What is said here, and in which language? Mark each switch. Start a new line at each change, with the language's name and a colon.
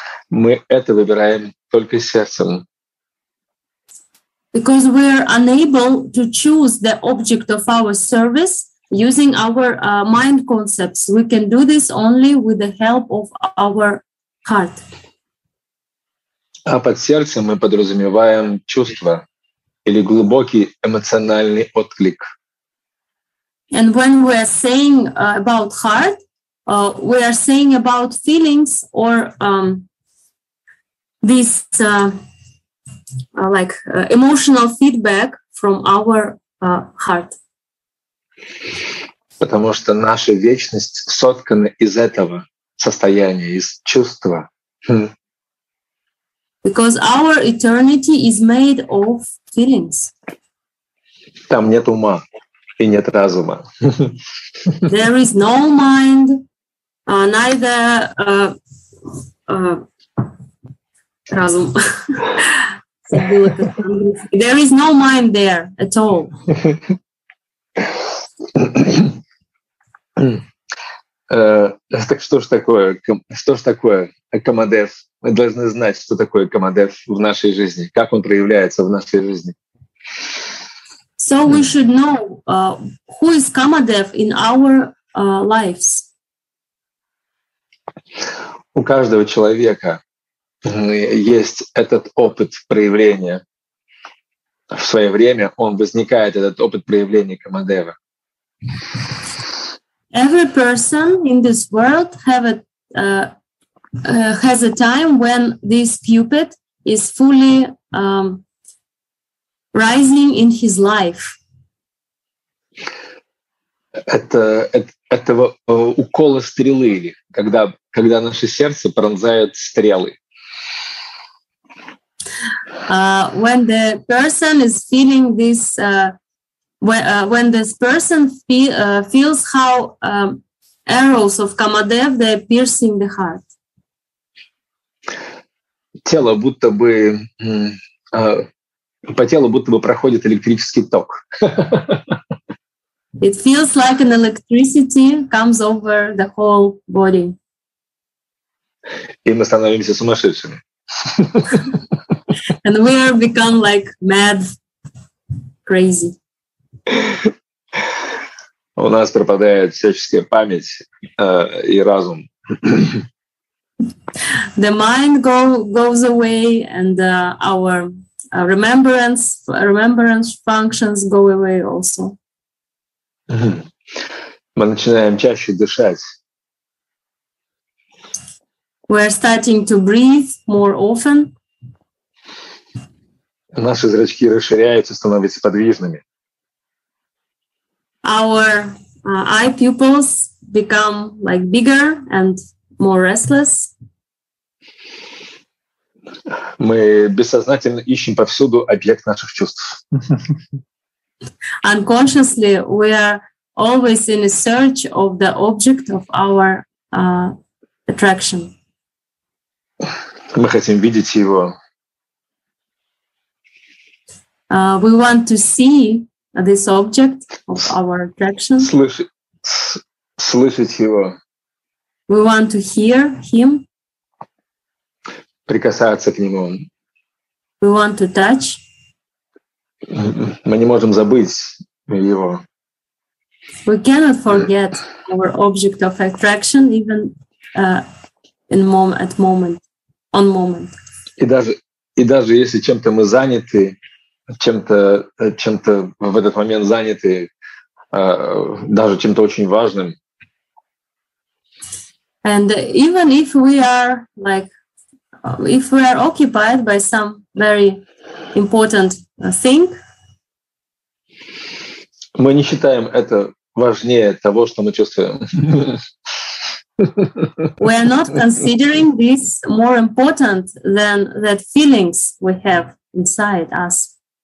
Russian: Мы это выбираем только сердцем.
English: Because we are unable to choose the object of our service. Using our mind concepts, we can do this only with the help of our heart.
Russian: А под сердцем мы подразумеваем чувства или глубокий эмоциональный отклик.
English: And when we are saying about heart, we are saying about feelings or this emotional feedback from our heart.
Russian: Потому что наша вечность соткана из этого состояния, из чувства.
English: Because our eternity is made of feelings.
Russian: Там нет ума и нет разума.
English: There is no mind, neither
Russian: разум.
English: There is no mind there at all.
Russian: Так что ж такое? Что ж такое камадев? Мы должны знать, что такое камадев в нашей жизни, как он проявляется в нашей жизни.
English: So we should know who is камадев in our lives.
Russian: У каждого человека есть этот опыт проявления. В свое время он возникает, этот опыт проявления камадева.
English: Every person in this world has a time when this Cupid is fully rising in his life.
Russian: Это укола стрелы, когда наше сердце пронзают стрелы.
English: When the person is feeling this when this person feels how arrows of Kamadev they're piercing the heart.
Russian: Тело будто бы по телу будто бы проходит электрический ток.
English: It feels like an electricity comes over the whole body.
Russian: И мы становимся сумасшедшими.
English: And we are become like mad, crazy.
Russian: У нас пропадает всяческая память и разум.
English: The mind goes away and our remembrance functions go away also.
Russian: Мы начинаем чаще дышать.
English: We're starting to breathe more often.
Russian: Наши зрачки расширяются, становятся подвижными.
English: Our eye pupils become like bigger and more restless.
Russian: Мы бессознательно ищем повсюду объект наших чувств.
English: Unconsciously, we are always in a search of the object of our attraction.
Russian: Мы хотим видеть его.
English: We want to see this object of our attraction.
Russian: Слышать его.
English: We want to hear him.
Russian: Прикасаться к нему.
English: We want to touch.
Russian: Мы не можем забыть его.
English: We cannot forget our object of attraction even on moment.
Russian: И даже если чем-то мы заняты, чем-то в этот момент заняты, даже чем-то очень важным.
English: And even if we are like if we are occupied by some very important thing,
Russian: мы не считаем это важнее того, что мы чувствуем.
English: We are not considering this more important than that feelings we have inside us.